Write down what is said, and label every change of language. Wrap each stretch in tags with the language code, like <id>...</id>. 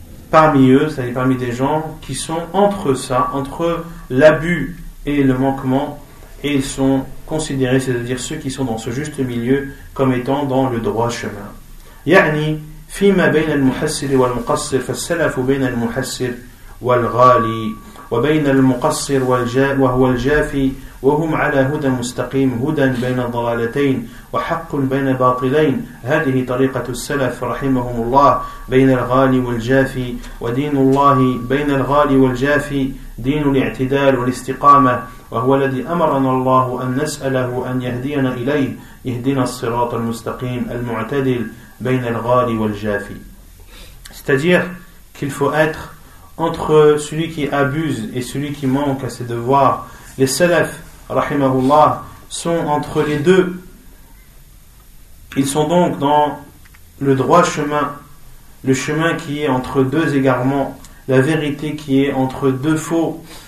<fr>Parmi eux, c'est-à-dire parmi des gens qui sont entre ça, entre l'abus et le manquement, et ils sont considérés, c'est-à-dire ceux qui sont dans ce juste milieu, comme étant dans le droit chemin.</fr> <ar>يعني فيما بين المحسر والمقصر فالسلف بين المحسر والغالي وبين المقصر وهو الجافي وهم على هدى مستقيم هدى بين الضلالتين وحق بين باطلين هذه طريقة السلف رحمهم الله بين الغالي والجافي ودين الله بين الغالي والجافي دين الاعتدال والاستقامة وهو الذي أمرنا الله أن نسأله أن يهدينا إليه يهدينا الصراط المستقيم المعتدل بين الغالي والجافي.</ar> <fr>C'est-à-dire qu'il faut être entre celui qui abuse et celui qui manque à ses devoirs. Les salaf rahimahullah sont entre les deux. Ils sont donc dans le droit chemin, le chemin qui est entre deux égarements, la vérité qui est entre deux faux.</fr>